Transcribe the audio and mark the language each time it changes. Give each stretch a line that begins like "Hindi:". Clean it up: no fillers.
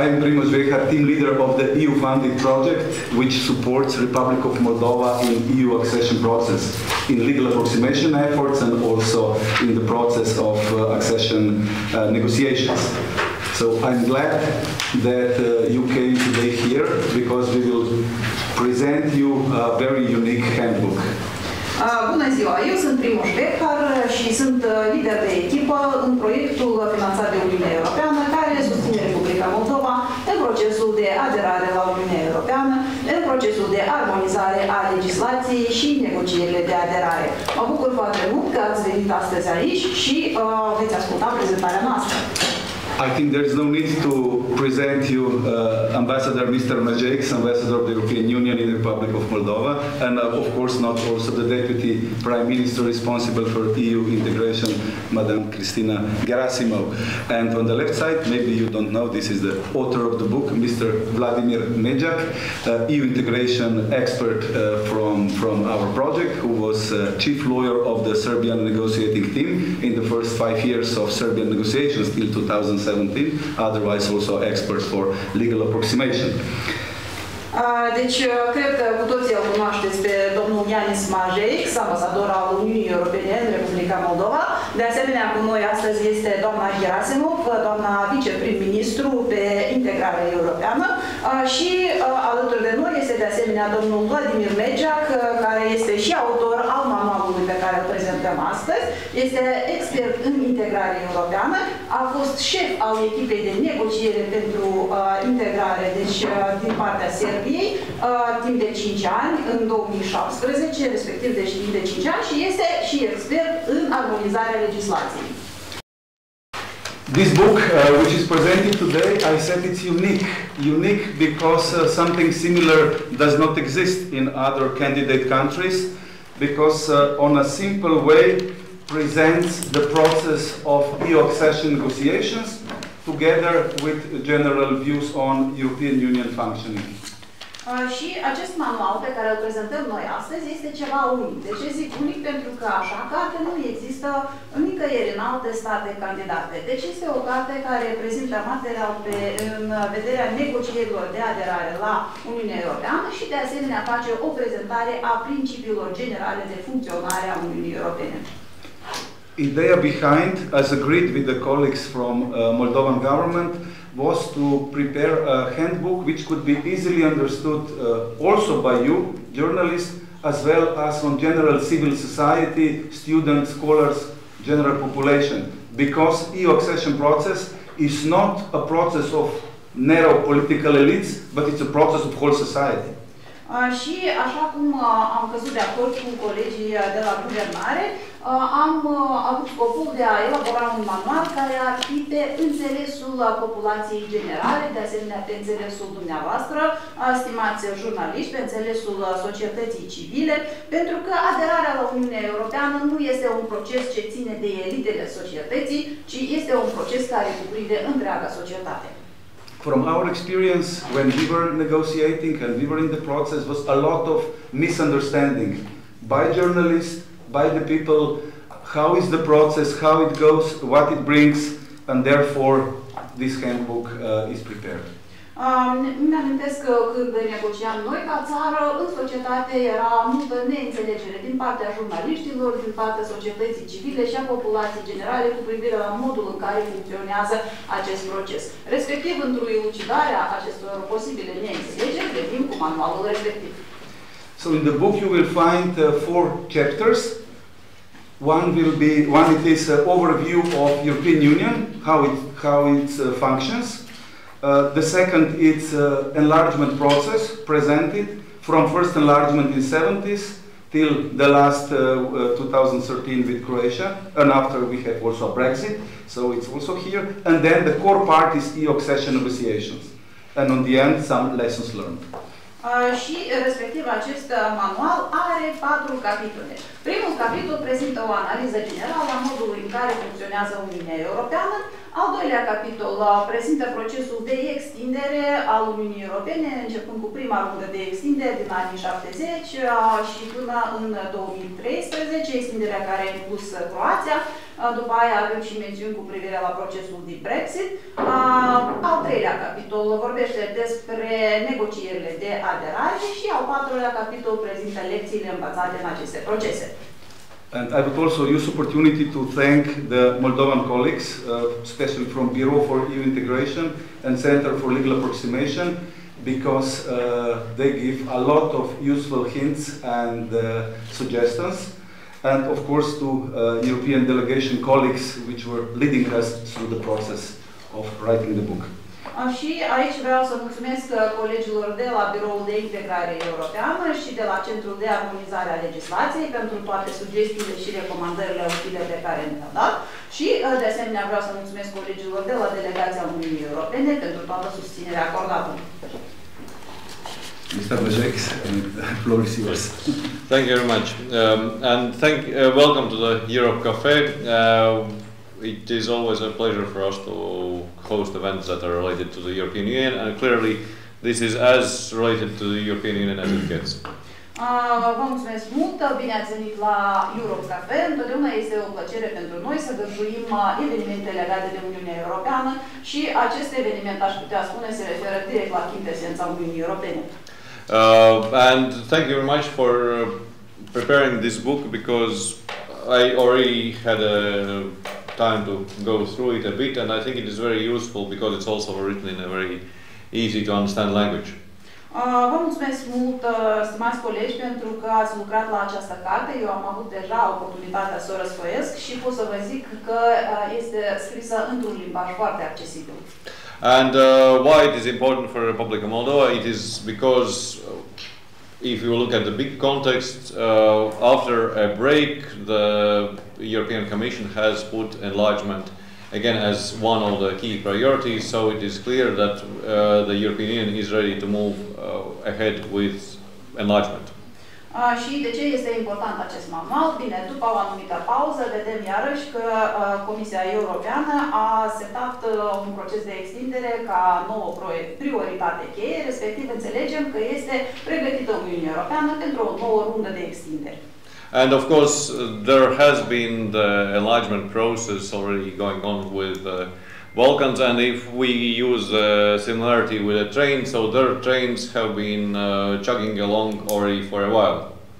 English: I am Primoz Vehar, team leader of the EU-funded project which supports Republic of Moldova in EU accession process, in legal approximation efforts and also in the process of accession negotiations. So I'm glad that you came today here because we will present you a very unique handbook.
Romanian: Bună ziua! Eu sunt Primoz Vehar și sunt lider de echipă în proiectul finanțat de Uniunea Europeană care susține Republica Moldova în procesul de aderare la Uniunea Europeană, în procesul de armonizare a legislației și negocierile de aderare. Mă bucur foarte mult că ați venit astăzi aici și veți asculta prezentarea noastră.
English: I think there is no need to present you Ambassador Mr. Majeks, Ambassador of the European Union in the Republic of Moldova, and of course not also the Deputy Prime Minister responsible for EU integration, Madame Cristina Gerasimov. And on the left side, maybe you don't know, this is the author of the book, Mr. Vladimir Nejak, EU integration expert from our project, who was chief lawyer of the Serbian negotiating team in the first 5 years of Serbian negotiations till 2017. Otherwise also expert for legal approximation.
Romanian: Deci, cred că cu toții îl cunoașteți pe domnul Yanis Majeks, ambasador al Uniunii Europene în Republica Moldova. De asemenea, cu noi astăzi este doamna Gerasimov, doamna viceprim-ministru pe integrare europeană. Și alături de noi este de asemenea domnul Vladimir Nejak, care este și autor al manualului pe care îl prezentăm astăzi. Este expert în integrare europeană, a fost șef al echipei de negociere pentru integrare, deci din partea Serbiei, timp de 5 ani, în 2017, respectiv deci timp de 5 ani, și este și expert în armonizarea legislației.
English: This book, which is presented today, I said it's unique. Unique because something similar does not exist in other candidate countries, because on a simple way presents the process of EU accession negotiations together with general views on European Union functioning.
Romanian: Și acest manual pe care îl prezentăm noi astăzi este ceva unic. De ce zic unic? Pentru că așa carte nu există nicăieri în alte state candidate. Deci este o carte care prezintă material pe, în vederea negocierilor de aderare la Uniunea Europeană și de asemenea face o prezentare a principiilor generale de funcționare a Uniunii Europene. Ideea
English: behind, as agreed with the colleagues from Moldovan government, was to prepare a handbook which could be easily understood also by you, journalists, as well as on general civil society, students, scholars, general population. Because EU accession process is not a process of narrow political elites, but it's a process of whole society.
Romanian: Și așa cum am căzut de acord cu colegii de la guvernare, am avut scopul de a elabora un manual care ar fi pe înțelesul populației generale, de asemenea pe înțelesul dumneavoastră, stimați jurnaliști, pe înțelesul societății civile, pentru că aderarea la Uniunea Europeană nu este un proces ce ține de elitele societății, ci este un proces care cuprinde întreaga societate.
English: From our experience, when we were negotiating and we were in the process, was a lot of misunderstanding by journalists, by the people, how is the process, how it goes, what it brings, and therefore this handbook is prepared.
Romanian: Mi-amintesc că când negociam noi ca țară, în societate era multă neînțelegere din partea jurnaliștilor, din partea societății civile și a populației generale cu privire la modul în care funcționează acest proces. Respectiv, într-o elucidare a acestor posibile neînțelegeri, revin cu manualul respectiv.
English: So in the book you will find four chapters. One is an overview of European Union, how it functions. The second is enlargement process presented from first enlargement in 70s till the last 2013 with Croatia, and after we have also Brexit, so it's also here. And then the core part is EU accession negotiations, and on the end some lessons learned.
Romanian: Și respectiv acest manual are 4 capitole. Primul capitol prezintă o analiză generală a modului în care funcționează Uniunea Europeană, Al doilea capitol prezintă procesul de extindere al Uniunii Europene, începând cu prima rundă de extindere din anii 70 și până în 2013, extinderea care a inclus Croația. După aia avem și mențiuni cu privire la procesul de Brexit. Al treilea capitol vorbește despre negocierile de aderare și al patrulea capitol prezintă lecțiile învățate în aceste procese.
English: And I would also use opportunity to thank the Moldovan colleagues, especially from Bureau for EU Integration and Center for Legal Approximation, because they give a lot of useful hints and suggestions. And of course to European delegation colleagues, which were leading us through the process of writing the book.
Romanian: Și aici vreau să mulțumesc colegilor de la Biroul de Integrare Europeană și de la Centrul de Armonizare a Legislației pentru toate sugestiile și recomandările utile pe care ne-au dat. Și, de asemenea, vreau să mulțumesc colegilor de la Delegația Uniunii Europene pentru toată susținerea acordată.
English: Mr. Bajek, the floor is yours. Thank you very much. And thank welcome to the Europe Cafe. It is always a pleasure for us to host events that are related to the European Union, and clearly this is as related to the European Union as it gets.
Romanian: Vă mulțumesc mult, bine ați venit la Europe Cafe. Întotdeauna este o plăcere pentru noi să găsuim evenimente legate de Uniunea Europeană și acest eveniment, aș putea spune, se referă direct la chintesența Uniunii Europene.
English: And thank you very much for preparing this book, because I already had a time to go through it a bit, and I think it is very useful because it's also written in a very easy to understand language.
Romanian: Vă mulțumesc mult, stimați colegi, pentru că ați lucrat la această carte. Eu am avut deja oportunitatea să o răsfoiesc și pot să vă zic că este scrisă într-un limbaj foarte accesibil.
English: And why it is important for the Republic of Moldova? It is because if you look at the big context, after a break, the European Commission has put enlargement again as one of the key priorities, so it is clear that the European Union is ready to move ahead with enlargement.
Romanian: Și de ce este important acest manual? Bine, după o anumită pauză, vedem iarăși că Comisia Europeană a setat un proces de extindere ca nouă prioritate cheie, respectiv înțelegem că este pregătită Uniunea Europeană pentru o nouă rundă de extindere.
English: And of course, there has been the enlargement process already going on with the Balkans, and if we use a similarity with a train, so their trains have been chugging along already for a while.